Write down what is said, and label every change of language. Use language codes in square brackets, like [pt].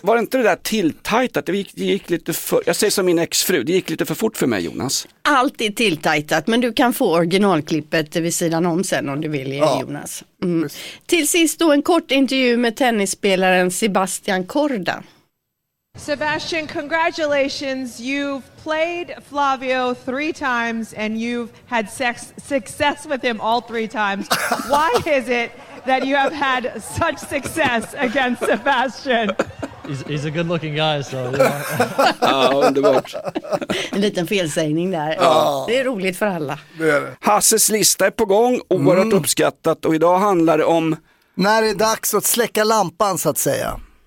[sv] var det inte det där tilltajtat? Det gick lite för, jag säger som min exfru, det gick lite för fort för mig, Jonas. Allt är tilltajtat, men du kan få originalklippet vid sidan om sen om du vill, ja. Jonas. Mm. Till sist då en kort intervju med tennisspelaren Sebastian Korda. [en] Sebastian, congratulations. You've played Flavio 3 times and you've had sex success with him all 3 times. Why is it that you have had such success against Sebastian? He's a good looking guy, so yeah. [sv] Underbart. En liten felsägning där. Oh. Det är roligt för alla. Det är det. Hasses lista är på gång, oerhört uppskattat, och idag handlar det om... När det är dags att släcka lampan, så att säga.